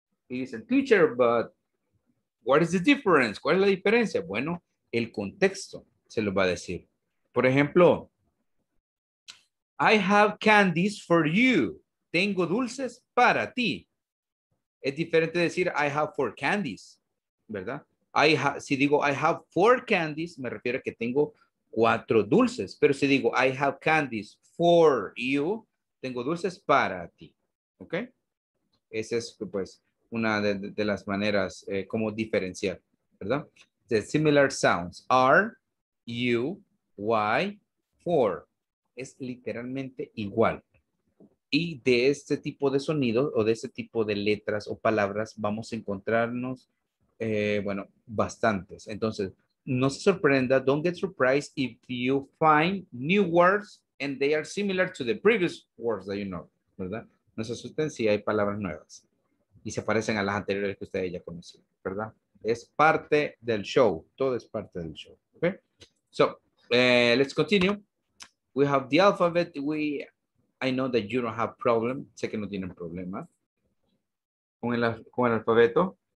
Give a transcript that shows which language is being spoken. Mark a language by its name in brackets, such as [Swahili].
[English] It is a teacher, but what is the difference? [Spanish] ¿Cuál es la diferencia? Bueno, el contexto se lo va a decir. Por ejemplo, [English] I have candies for you. [Spanish] Tengo dulces para ti. Es diferente decir [English] I have four candies, [Spanish] ¿verdad? Si digo [English] I have four candies, [Spanish] me refiero a que tengo cuatro dulces. Pero si digo [English] I have candies for you, [Spanish] tengo dulces para ti. ¿Ok? Esa es, pues, una de las maneras como diferenciar, ¿verdad? [English] The similar sounds. R, U, Y, 4. [Spanish] Es literalmente igual. Y de este tipo de sonidos o de este tipo de letras o palabras vamos a encontrarnos, bueno, bastantes. Entonces, no se sorprenda. [English] Don't get surprised if you find new words and they are similar to the previous words that you know, ¿verdad? [Spanish] No se asusten si hay palabras nuevas y se parecen a las anteriores que ustedes ya conocen, ¿verdad? Es parte del show. Todo es parte del show. Okay? [English] So, let's continue. We have the alphabet. I know that you don't have problem. [Spanish] Sé que no tienen problema con el alfabeto.